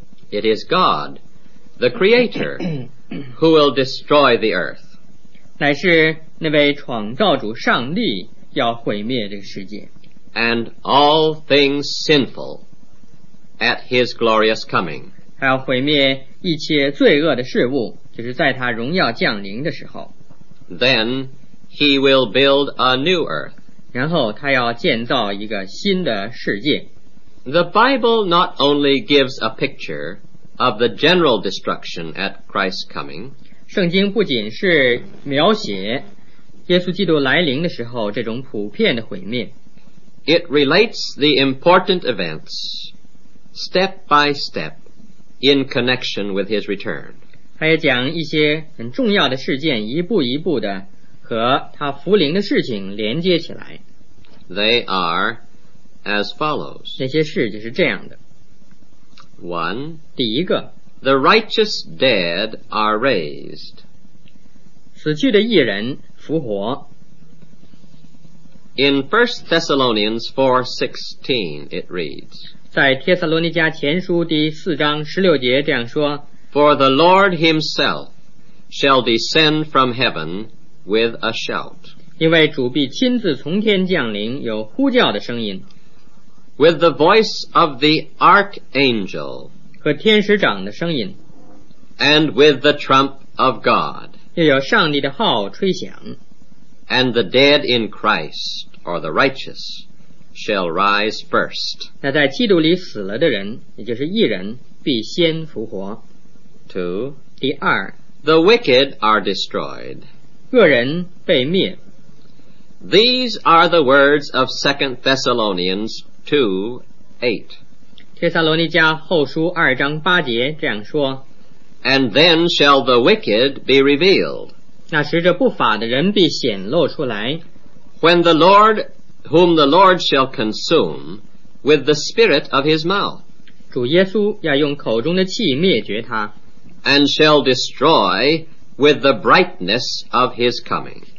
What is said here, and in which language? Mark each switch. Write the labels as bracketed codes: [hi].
[en] It is God, the Creator, who will destroy the earth. [zh] 乃是那位创造主上帝要毁灭这个世界。 [en] And all things sinful at his glorious coming. [zh] 他要毁灭一切罪恶的事物，就是在他荣耀降临的时候。 [en] Then he will build a new earth. [zh] 然后他要建造一个新的世界。 [en] The Bible not only gives a picture of the general destruction at Christ's coming, [zh] 圣经不仅是描写耶稣基督来临的时候这种普遍的毁灭， [en] It relates the important events step by step in connection with his return. [zh] 他也讲一些很重要的事件一步一步的和他复临的事情连接起来。 [en] They areAs follows. [zh] 那些事就是这样的。 [en] One, [zh] 第一个， [en] The righteous dead are raised. [zh] 死去的义人复活。 [en] In 1 Thessalonians 4:16 it reads, [zh] 在帖撒罗尼迦前书第四章十六节这样说， [en] For the Lord himself shall descend from heaven with a shout. [zh] 因为主必亲自从天降临，有呼叫的声音。 [en] With the voice of the archangel, [zh] 和天使长的声音， [en] and with the trump of God, [zh] 又有上帝的号吹响， [en] and the dead in Christ, or the righteous, shall rise first. [zh] 那在基督里死了的人，也就是义人，必先复活。 [en] Two, [zh] 第二， [en] the wicked are destroyed, [zh] 恶人被灭。 [en] These are the words of 2 Thessalonians 2:8. [zh] 帖撒罗尼迦后书二章八节这样说， [en] And then shall the wicked be revealed. [zh] 那时这不法的人必显露出来。 [en] When the Lord, whom the Lord shall consume with the spirit of his mouth. [zh] 主耶稣要用口中的气灭绝他。 [en] And shall destroy with the brightness of his coming.